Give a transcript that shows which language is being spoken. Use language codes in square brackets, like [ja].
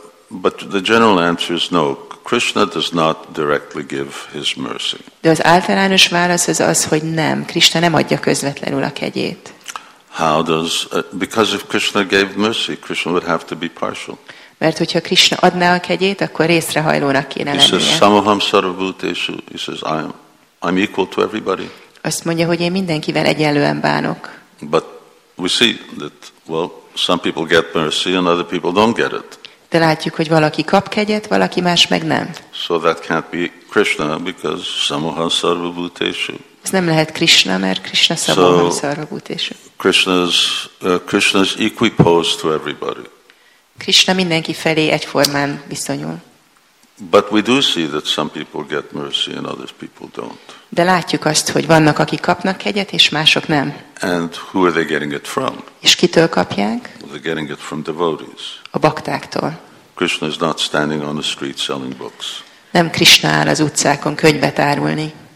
[en] But the general answer is no. Krishna does not directly give his mercy. [hu] De az általános válasz az az, hogy nem. Krishna nem adja közvetlenül a kegyét. [en] How does because if Krishna gave mercy, Krishna would have to be partial. [hu] Mert hogyha Krishna adná a kegyét, akkor részrehajlónak kéne lennie. [en] He says samaham sarvabhuteshu. He says I'm equal to everybody. [hu] Azt mondja, hogy én mindenkivel egyenlően bánok. [en] But we see that well, some people get mercy and other people don't get it. [hu] De látjuk, hogy valaki kap kegyet, valaki más meg nem. [en] So that can't be Krishna because samaham sarvabhuteshu. [hu] Ez nem lehet Krishna, mert Krishna samaham sarvabhuteshu. [en] Krishna's equipoise to everybody. [hu] Krishna mindenki felé egyformán viszonyul. [en] But we do see that some people get mercy and other people don't. [hu] De látjuk azt, hogy vannak, akik kapnak kegyet, és mások nem. [en] And who are they getting it from? [hu] És kitől kapják? [en] They're getting it from devotees. [hu] A baktáktól. [en] Krishna is not standing on the street selling books. [hu] Nem Krishna áll az utcákon könyvet árulni.